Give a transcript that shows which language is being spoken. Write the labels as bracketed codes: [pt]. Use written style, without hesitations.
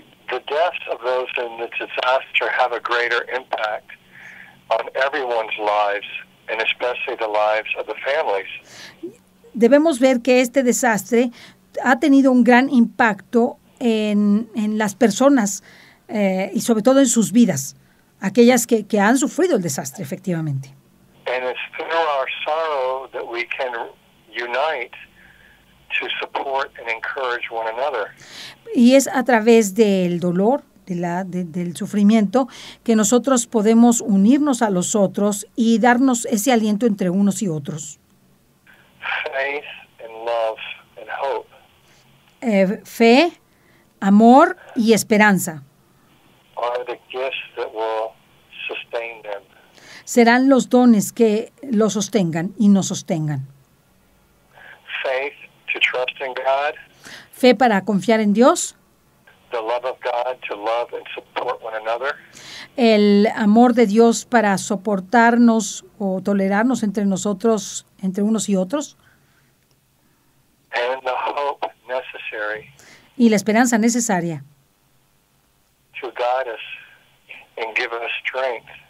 [en] The deaths of those in the disaster have a greater impact on everyone's lives, and especially the lives of the families. [es] Debemos ver que este desastre ha tenido un gran impacto en las personas y sobre todo en sus vidas, aquellas que han sufrido el desastre, efectivamente. [en] And it's through our sorrow that we can unite to support and encourage one another. [es] Y es a través del dolor, del sufrimiento, que nosotros podemos unirnos a los otros y darnos ese aliento entre unos y otros. [en] Faith and love and hope. [es] Fe, amor y esperanza [en] are the gifts that will sustain them. [es] Serán los dones que los sostengan y nos sostengan. [en] Faith to trust in God. [es] Fe para confiar en Dios. [en] The love of God to love and support one another. [es] El amor de Dios para soportarnos o tolerarnos entre nosotros, entre unos y otros. [en] And the hope necessary. [es] Y la esperanza necesaria. [en] To guide us and give us strength.